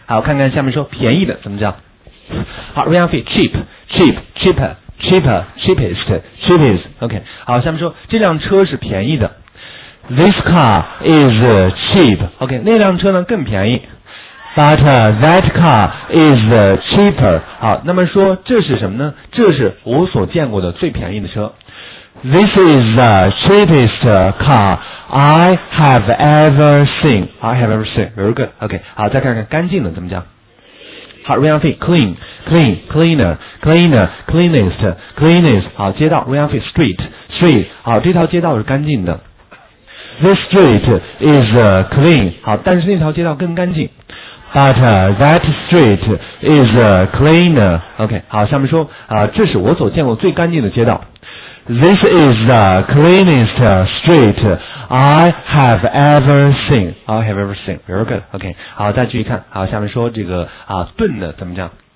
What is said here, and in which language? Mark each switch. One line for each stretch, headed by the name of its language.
English: 好，
Chinese: 看看下面说便宜的怎么讲。
English: 好 ，real fee, cheap, cheap, cheaper, cheaper, cheapest, cheapest. OK。
Chinese: 好，下面说这辆车是便宜的。
English: This car is cheap. OK,
Chinese: 那辆车呢更便宜。
English: But that car is cheaper. 好，
Chinese: 那么说这是什么呢？这是我所见过的最便宜的车。
English: This is the cheapest car I have ever seen. I have ever seen. Very good.
Chinese: OK, 好，再看看干净的怎么讲。
English: 好 ，real fee, clean, clean, cleaner, cleaner, cleanest, cleanest.
Chinese: 好，街道 ，real fee, street, street. 好，这条街道是干净的。
English: This street is clean.
Chinese: 好，但是那条街道更干净。
English: But that street is cleaner.
Chinese: OK, 好，下面说啊，这是我所见过最干净的街道。
English: This is the cleanest street I have ever seen. I have ever seen. Very good. OK, 好，
Chinese: 再继续看。好，下面说这个啊，钝的怎么讲？